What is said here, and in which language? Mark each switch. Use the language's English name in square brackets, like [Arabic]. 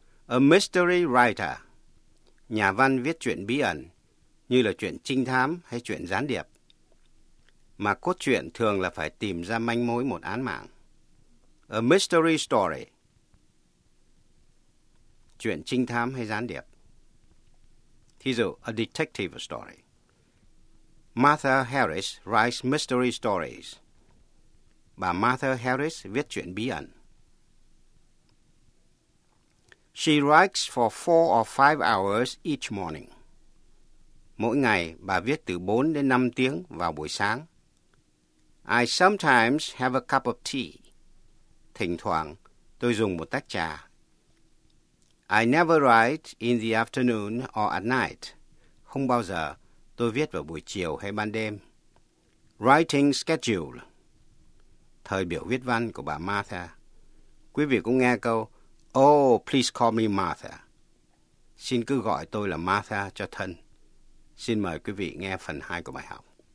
[English] A mystery writer. [Vietnamese] Nhà văn viết chuyện bí ẩn, như là chuyện trinh thám hay chuyện gián điệp. Mà cốt truyện thường là phải tìm ra manh mối một án mạng. [English] A mystery story. [Vietnamese] Chuyện trinh thám hay gián điệp. Thí dụ, [English] a detective story. Martha Harris writes mystery stories. [Vietnamese] Bà Martha Harris viết chuyện bí ẩn. [English] She writes for 4 or 5 hours each morning. [Vietnamese] Mỗi ngày, bà viết từ 4 đến 5 tiếng vào buổi sáng. [English] I sometimes have a cup of tea. [Vietnamese] Thỉnh thoảng, tôi dùng một tách trà. [English] I never write in the afternoon or at night. [Vietnamese] Không bao giờ tôi viết vào buổi chiều hay ban đêm. [English] Writing schedule. [Vietnamese] Thời biểu viết văn của bà Martha. Quý vị cũng nghe câu, [English] Oh, please call me Martha. [Vietnamese] Xin cứ gọi tôi là Martha cho thân. Xin mời quý vị nghe phần 2 của bài học.